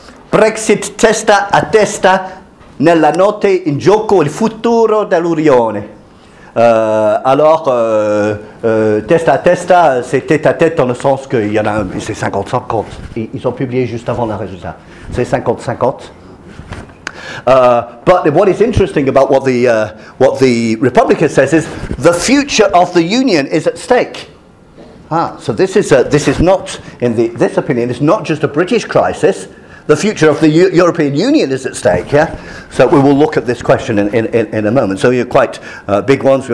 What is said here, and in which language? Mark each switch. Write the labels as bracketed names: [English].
[Italian] Brexit testa a testa nella notte in gioco il futuro dell'Unione. Testa a testa, [French] c'est tête à tête dans le sens qu'il y en a, c'est 50-50. Ils ont publié juste avant le résultat. C'est 50-50. [English] But what is interesting about what the Republica says is the future of the union is at stake. So this opinion is not just a British crisis. The future of the European Union is at stake. Yeah, so we will look at this question in a moment. So you're quite big ones.